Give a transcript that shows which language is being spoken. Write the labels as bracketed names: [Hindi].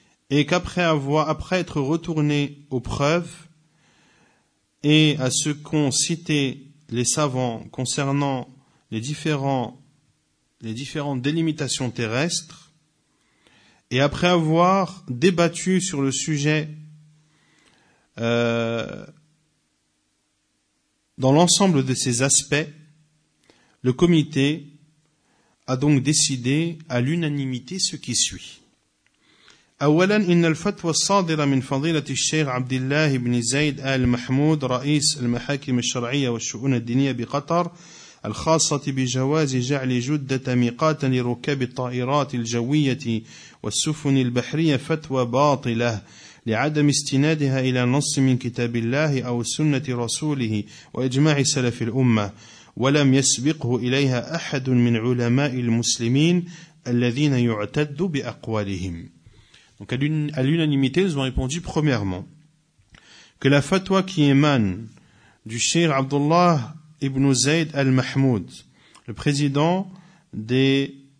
[French] Et qu'après après être retourné aux preuves et à ce qu'ont cité les savants concernant les différentes délimitations terrestres, et après avoir débattu sur le sujet dans l'ensemble de ses aspects, le comité a donc décidé à l'unanimité ce qui suit. [Arabic] أولا إن الفتوى الصادرة من فضيلة الشيخ عبد الله بن زيد آل محمود رئيس المحاكم الشرعية والشؤون الدينية بقطر الخاصة بجواز جعل جدة ميقاتا لركاب الطائرات الجوية والسفن البحرية فتوى باطلة لعدم استنادها إلى نص من كتاب الله أو سنة رسوله وإجماع سلف الأمة ولم يسبقه إليها أحد من علماء المسلمين الذين يعتد بأقوالهم. [French] Donc à l'unanimité, ils ont répondu premièrement que la fatwa qui émane du Cheikh Abdullah ibn Zayd al-Mahmoud, le président des